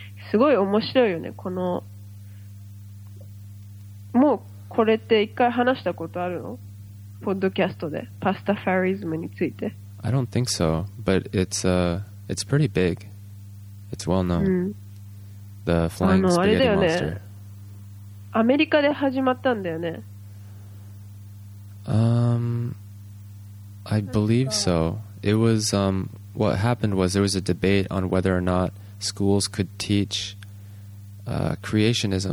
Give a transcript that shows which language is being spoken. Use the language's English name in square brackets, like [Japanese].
[Japanese] すごい面白いよね、この。もうこれって一回話したことあるの？ポッドキャストで、パスタファリズムについて。 [English] I don't think so, but it's pretty big. It's well known.、 [Japanese] うん、 [English] The Flying Spaghetti Monster. [Japanese] アメリカで始まったんだよね。 [English] I believe so. It was, what happened was there was a debate on whether or not schools could teach creationism、